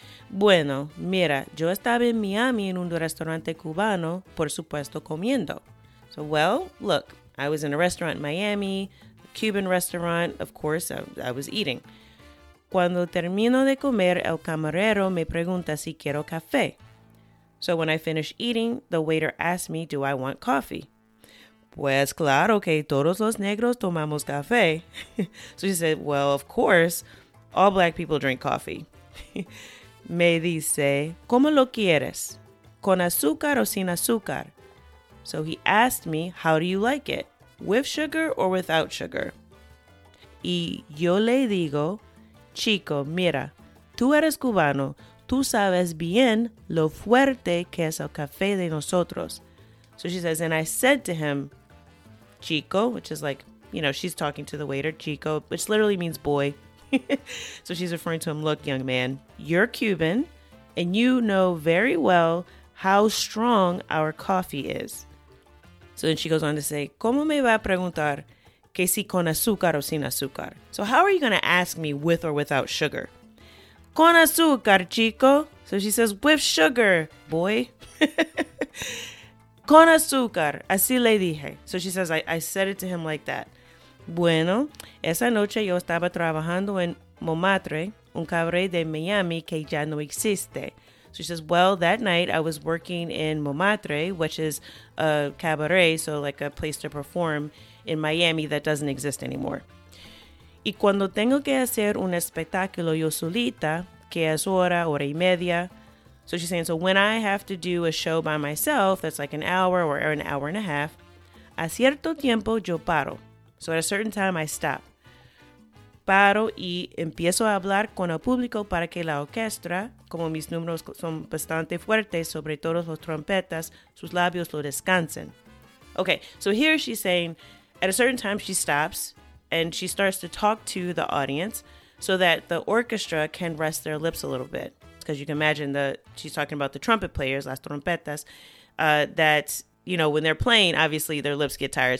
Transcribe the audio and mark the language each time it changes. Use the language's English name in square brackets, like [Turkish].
[Spanish] Bueno, mira, yo estaba en Miami en un restaurante cubano, por supuesto, comiendo. [English] So, well, look, I was in a restaurant in Miami, a Cuban restaurant, of course, I was eating. [Spanish] Cuando termino de comer, el camarero me pregunta si quiero café. [English] So when I finish eating, the waiter asked me, do I want coffee? [Spanish] Pues claro que todos los negros tomamos café. [English] So she said, well, of course, all black people drink coffee. [Spanish] Me dice, ¿cómo lo quieres? ¿Con azúcar o sin azúcar? [English] So he asked me, how do you like it? With sugar or without sugar? [Spanish] Y yo le digo, chico, mira, tú eres cubano. Tú sabes bien lo fuerte que es el café de nosotros. [English] So she says, and I said to him, chico, which is like, you know, she's talking to the waiter, chico, which literally means boy. So she's referring to him, look, young man, you're Cuban and you know very well how strong our coffee is. So then she goes on to say, [Spanish] ¿cómo me va a preguntar que si con azúcar o sin azúcar? [English] So how are you going to ask me with or without sugar? [Spanish] Con azúcar, chico. [English] So she says, with sugar, boy. [Spanish] Con azúcar, así le dije. [English] So she says, I said it to him like that. [Spanish] Bueno, esa noche yo estaba trabajando en Montmartre, un cabaret de Miami que ya no existe. [English] So she says, well, that night I was working in Montmartre, which is a cabaret, so like a place to perform in Miami that doesn't exist anymore. [Spanish] Y cuando tengo que hacer un espectáculo yo solita, que es hora, hora y media. [English] So she's saying, so when I have to do a show by myself, that's like an hour or an hour and a half, [Spanish] a cierto tiempo yo paro. [English] So at a certain time, I stop. [Spanish] paro y empiezo a hablar con el público para que la orquesta, como mis números son bastante fuertes, sobre todo los trompetas, sus labios lo descansen. [English] Okay, so here she's saying, at a certain time she stops and she starts to talk to the audience so that the orchestra can rest their lips a little bit. Because you can imagine that she's talking about the trumpet players, [Spanish] las trompetas, [English] that, you know, when they're playing, obviously their lips get tired.